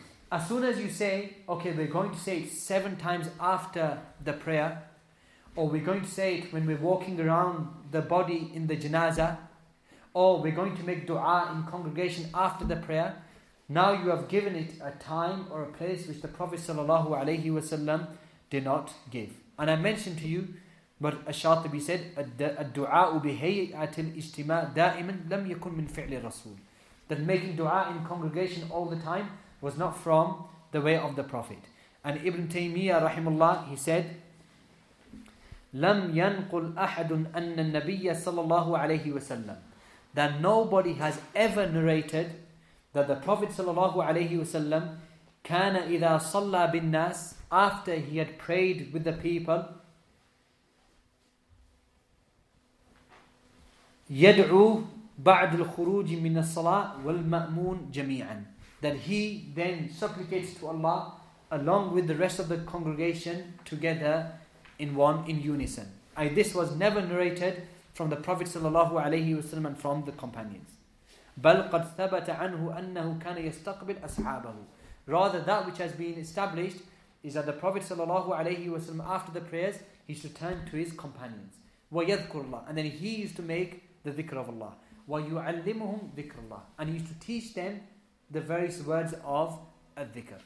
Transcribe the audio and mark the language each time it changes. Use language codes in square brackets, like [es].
[en] As soon as you say, okay, we're going to say it 7 times after the prayer, or we're going to say it when we're walking around the body in the janazah, or we're going to make dua in congregation after the prayer, now you have given it a time or a place which the Prophet sallallahu alayhi wasallam did not give. And I mentioned to you what Ash-Shatibi said, [ar] الدعاء بهيئة الاجتماع دائما لم يكن من فعل الرسول. [en] That making dua in congregation all the time was not from the way of the Prophet. And Ibn Taymiyyah rahimullah, he said, [ar] لم ينقل أحد أن النبي صلى الله عليه وسلم, [en] that nobody has ever narrated that the Prophet [ar] صلى الله عليه وسلم كان إذا صلى بالناس, [en] after he had prayed with the people, [ar] يدعو بعد الخروج من الصلاة والمأمون جميعا, [en] that he then supplicates to Allah along with the rest of the congregation together in unison. This was never narrated from the Prophet sallallahu alayhi wasallam and from the companions. [ar] بل قد ثبت عنه أنه كان يستقبل أصحابه. [en] Rather, that which has been established is that the Prophet sallallahu alayhi wasallam, after the prayers, he should turn to his companions. [ar] ويذكر الله, [en] and then he used to make the dhikr of Allah. [ar] ويعلمهم ذكر الله, [en] and he used to teach them the various words of al-dhikr.